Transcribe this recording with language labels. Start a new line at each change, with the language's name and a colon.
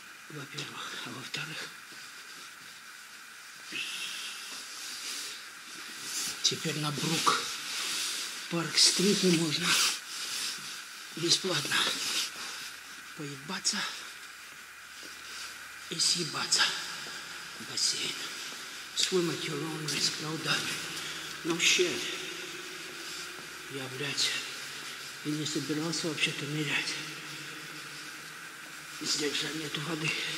Russian: Во-первых, а во-вторых, теперь на Брук Парк Стрит можно бесплатно поебаться и съебаться в бассейн.
English: Swim at your own risk, no doubt. No shit.
Russian: Я, блядь, и не собирался вообще-то нырять. Здесь же нету воды.